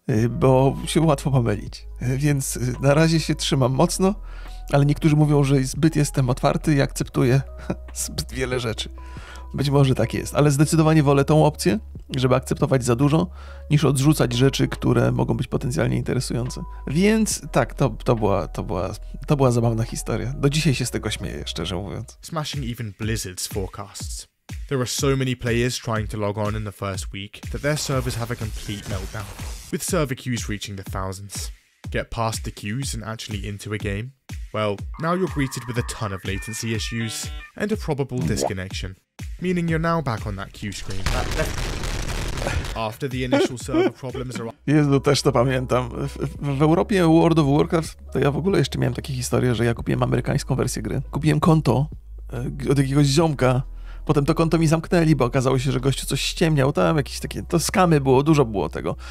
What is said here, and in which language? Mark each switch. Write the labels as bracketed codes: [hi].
[pl] Bo się łatwo pomylić, więc na razie się trzymam mocno, ale niektórzy mówią, że zbyt jestem otwarty i akceptuję zbyt wiele rzeczy. Być może tak jest, ale zdecydowanie wolę tą opcję, żeby akceptować za dużo, niż odrzucać rzeczy, które mogą być potencjalnie interesujące. Więc tak, to była zabawna historia. Do dzisiaj się z tego śmieję, szczerze mówiąc. [en] Smashing even Blizzard's forecasts. There are so many players trying to log on in the first week that their servers have a complete meltdown, with server queues reaching the thousands. Get past the queues and actually into a game? Well, now you're greeted with a ton of latency issues and a probable disconnection, meaning you're now back on that queue screen. After the initial server problems are... [pl] Jezu, też to pamiętam. W Europie World of Warcraft to ja w ogóle jeszcze miałem takie historie, że ja kupiłem amerykańską wersję gry. Kupiłem konto od jakiegoś ziomka. Potem to konto mi zamknęli, bo okazało się, że gościu coś ściemniał, tam jakieś takie, to skamy było, dużo było tego.